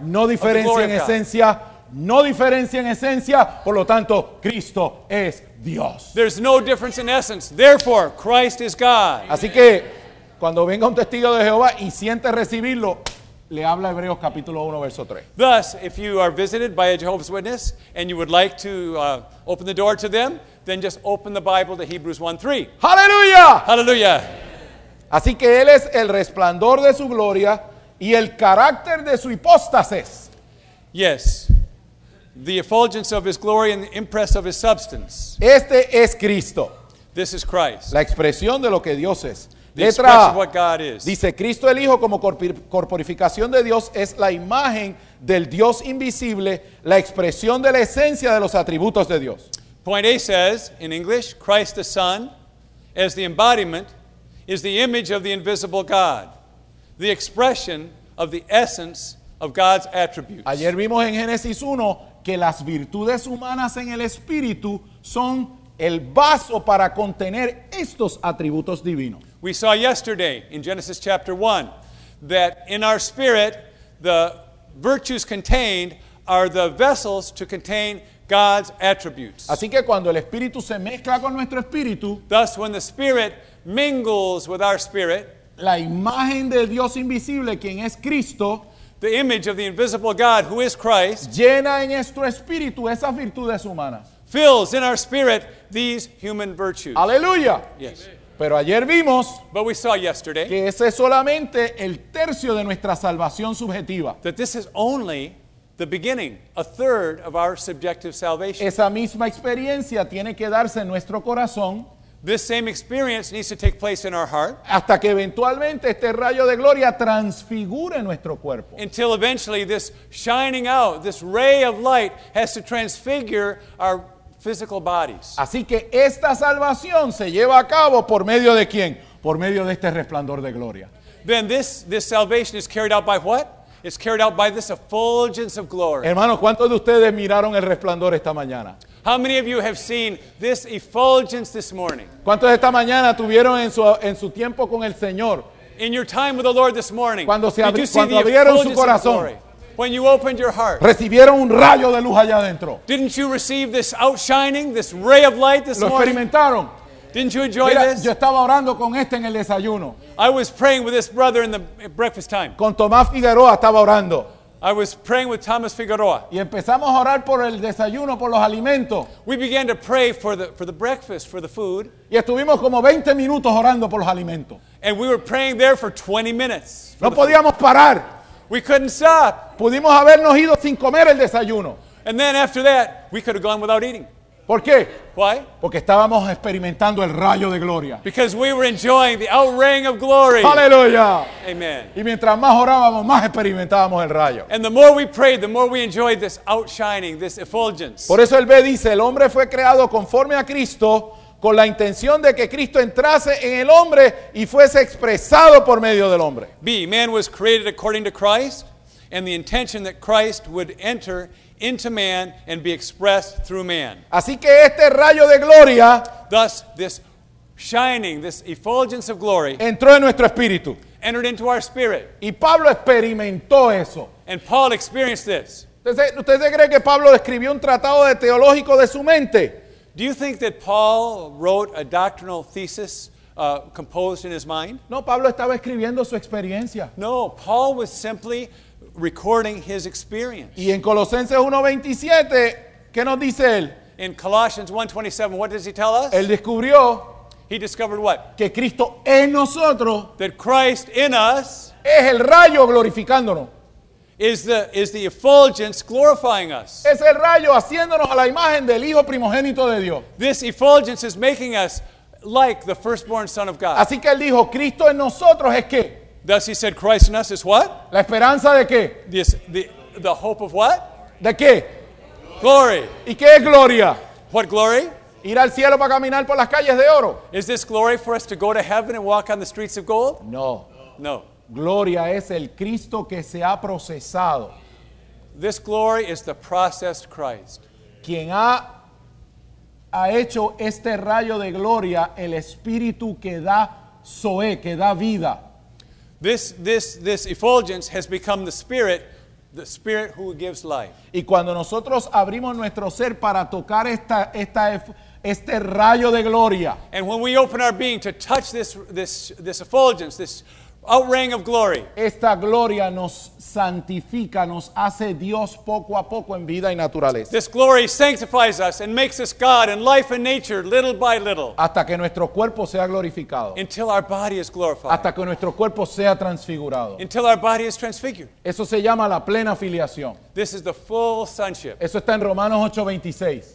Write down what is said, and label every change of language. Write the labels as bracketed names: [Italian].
[Spanish] No diferencia en esencia, no diferencia en esencia, por lo tanto, Cristo es Dios. [English] There's no difference in essence. Therefore, Christ is God. [Spanish] Así que cuando venga un testigo de Jehová y siente recibirlo, le habla Hebreos capítulo 1 verso 3. [English] Thus, if you are visited by a Jehovah's Witness and you would like to open the door to them, then just open the Bible to Hebrews 1:3. Hallelujah! Hallelujah! [Spanish] Así que él es el resplandor de su gloria y el carácter de su hipóstasis. [English] Yes. The effulgence of his glory and the impress of his substance. [Spanish] Este es Cristo. [English] This is Christ. [Spanish] La expresión de lo que Dios es. [English] The expression of what God is. [Spanish] Dice Cristo el Hijo como corporificación de Dios es la imagen del Dios invisible, la expresión de la esencia de los atributos de Dios. [English] Point A says, in English, Christ the Son, as the embodiment, is the image of the invisible God, the expression of the essence of God's attributes. [Spanish] Ayer vimos en Génesis 1 que las virtudes humanas en el Espíritu son el vaso para contener estos atributos divinos. [English] We saw yesterday in Genesis chapter 1 that in our spirit, the virtues contained are the vessels to contain God's attributes. [Spanish] Así que cuando el espíritu se mezcla con nuestro espíritu, [English] thus when the spirit mingles with our spirit, [Spanish] la imagen de Dios invisible, quien es Cristo, [English] the image of the invisible God who is Christ, [Spanish] llena en nuestro espíritu esas virtudes humanas, [English] fills in our spirit these human virtues. Aleluya. Yes. [Spanish] Pero ayer vimos, [English] but we saw yesterday, [Spanish] que ese es solamente el tercio de nuestra salvación subjetiva. [English] That this is only the beginning, a third of our subjective salvation. [Spanish] Esa misma experiencia tiene que darse en nuestro corazón. [English] This same experience needs to take place in our heart. [Spanish] Hasta que eventualmente este rayo de gloria transfigure nuestro cuerpo. [English] Until eventually this shining out, this ray of light has to transfigure our physical bodies. [Spanish] Así que esta salvación se lleva a cabo ¿por medio de quién? Por medio de este resplandor de gloria. [English] Then this salvation is carried out by what? It's carried out by this effulgence of glory. [Spanish] Hermano, ¿cuántos de ustedes miraron el resplandor esta mañana? [English] How many of you have seen this effulgence this morning? [Spanish] ¿Cuántos esta mañana tuvieron en su tiempo con el Señor? [English] In your time with the Lord this morning, [Spanish] cuando abrieron su corazón, [English] When you opened your heart. [Spanish] Recibieron un rayo de luz allá adentro. [English] Didn't you receive this outshining, this ray of light this morning? [Spanish] Lo experimentaron. [English] Didn't you enjoy this? [Spanish] Yo estaba orando con este en el desayuno. [English] I was praying with this brother in the breakfast time. [Spanish] Con Tomás Figueroa estaba orando. [English] I was praying with Thomas Figueroa. [Spanish] Y empezamos a orar por el desayuno, por los alimentos. [English] We began to pray for the breakfast, for the food. [Spanish] Y estuvimos como 20 minutos orando por los alimentos. [English] And we were praying there for 20 minutes. [Spanish] No podíamos parar. [English] We couldn't stop. [Spanish] Pudimos habernos ido sin comer el desayuno. [English] And then after that, we could have gone without eating. [Spanish] ¿Por qué? [English] Why? [Spanish] Porque estábamos experimentando el rayo de gloria. [English] Because we were enjoying the outraying of glory. ¡Aleluya! Amen. [Spanish] Y mientras más orábamos, más experimentábamos el rayo. [English] And the more we prayed, the more we enjoyed this outshining, this effulgence. [Spanish] Por eso el B dice, el hombre fue creado conforme a Cristo, con la intención de que Cristo entrase en el hombre y fuese expresado por medio del hombre. [English] B, man was created according to Christ, and the intention that Christ would enter into man and be expressed through man. [Spanish] Así que este rayo de gloria, [English] thus this shining, this effulgence of glory, [Spanish] entró en nuestro espíritu, [English] entered into our spirit. [Spanish] Y Pablo experimentó eso. [English] And Paul experienced this. [Spanish] ¿Usted se cree que Pablo escribió un tratado de teológico de su mente? [English] Do you think that Paul wrote a doctrinal thesis composed in his mind? [Spanish] No, Pablo estaba escribiendo su experiencia. [English] No, Paul was simply recording his experience. [Spanish] Y en Colosenses 1:27, ¿qué nos dice él? [English] In Colossians 1:27, what does he tell us? [Spanish] Él descubrió. [English] He discovered what? [Spanish] Que Cristo en nosotros. [English] That Christ in us. [Spanish] Es el rayo glorificándonos. [English] Is the effulgence glorifying us? [Spanish] Es el rayo haciéndonos a la imagen del Hijo primogénito de Dios. [English] This effulgence is making us like the firstborn Son of God. [Spanish] Así que él dijo, Cristo en nosotros es qué? [English] Thus he said, Christ in us is what? [Spanish] La esperanza de qué? [English] The hope of what? [Spanish] De qué? [English] Glory. [Spanish] ¿Y qué es gloria? [English] What glory? [Spanish] Ir al cielo para caminar por las calles de oro. [English] Is this glory for us to go to heaven and walk on the streets of gold? [Spanish] No. [English] No. [Spanish] Gloria es el Cristo que se ha procesado. [English] This glory is the processed Christ. [Spanish] Quien ha hecho este rayo de gloria, el Espíritu que da Zoe, que da vida. [English] This effulgence has become the spirit who gives life. [Spanish] Y cuando nosotros abrimos nuestro ser para tocar este rayo de gloria. [English] And when we open our being to touch this effulgence, this outraying of glory. [Spanish] Esta gloria nos santifica, nos hace Dios poco a poco en vida y naturaleza. [English] This glory sanctifies us and makes us God in life and nature little by little. [Spanish] Hasta que nuestro cuerpo sea glorificado. [English] Until our body is glorified. [Spanish] Hasta que nuestro cuerpo sea transfigurado. [English] Until our body is transfigured. [Spanish] Eso se llama la plena filiación. [English] This is the full sonship. [Spanish] Eso está en Romanos 8:26.